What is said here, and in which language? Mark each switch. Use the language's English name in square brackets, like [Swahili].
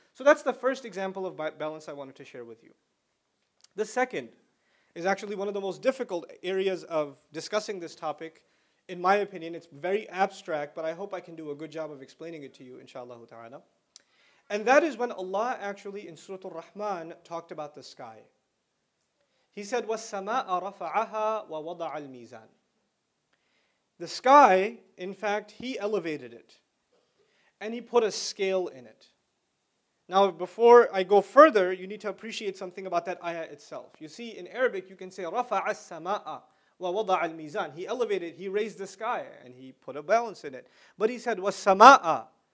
[English] So that's the first example of balance I wanted to share with you. The second is actually one of the most difficult areas of discussing this topic. In my opinion, it's very abstract, but I hope I can do a good job of explaining it to you, inshallah ta'ala. And that is when Allah actually, in Surah Ar-Rahman, talked about the sky. He said, [Arabic] وَالسَّمَاءَ رَفَعَهَا وَوَضَعَ الْمِيزَانِ. [English] The sky, in fact, He elevated it. And He put a scale in it. Now, before I go further, you need to appreciate something about that ayah itself. You see, in Arabic, you can say, [Arabic] رَفَعَ السَّمَاءَ وَوَضَعَ الْمِيزَانِ. [English] He elevated, He raised the sky, and He put a balance in it. But He said, وَالسَّمَاءَ